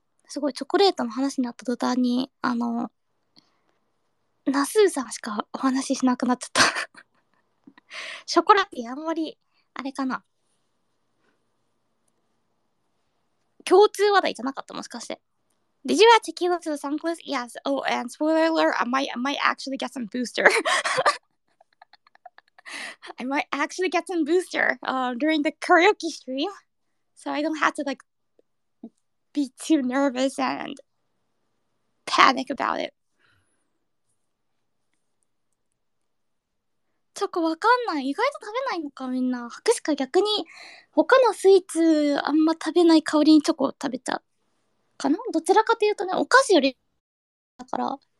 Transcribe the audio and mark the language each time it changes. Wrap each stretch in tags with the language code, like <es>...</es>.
<ja>すごい、チョコレートの話になった途端に、ナスーさんしかお話ししなくなっちゃった。ショコラティ、あんまり、あれかな。共通話題じゃなかった、もしかして。</ja> <en>Did you add tequila to the sunk list? Yes. Oh, and spoiler alert, I might actually get some booster. I might actually get some booster during the karaoke stream. So I don't have to like be too nervous and panic about it.</en> <ja>チョコわかんない。意外と食べないのか、みんな。博士か、逆に他のスイーツあんま食べない香りにチョコを食べちゃうかな。どちらかというとね、お菓子よりだから。</ja>